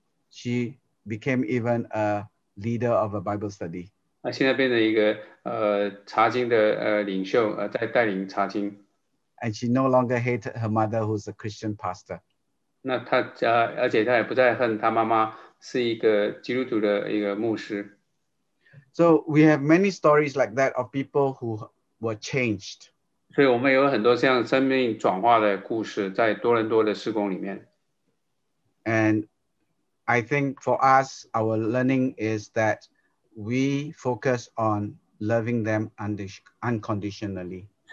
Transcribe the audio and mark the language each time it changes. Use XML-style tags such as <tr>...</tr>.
<en>She became even a leader of a Bible study.</en> <zh>现在变成一个查经的领袖，在带领查经。</zh> <en>And she no longer hated her mother, who's a Christian pastor.</en> <zh>那她，而且她也不再恨她妈妈。是一个基督徒的一个牧师。</zh> <en>So we have many stories like that of people who were changed.</en> <zh>所以我们有很多像生命转化的故事在多伦多的事工里面。</zh> <en>And I think for us, our learning is that we focus on loving them unconditionally.</en>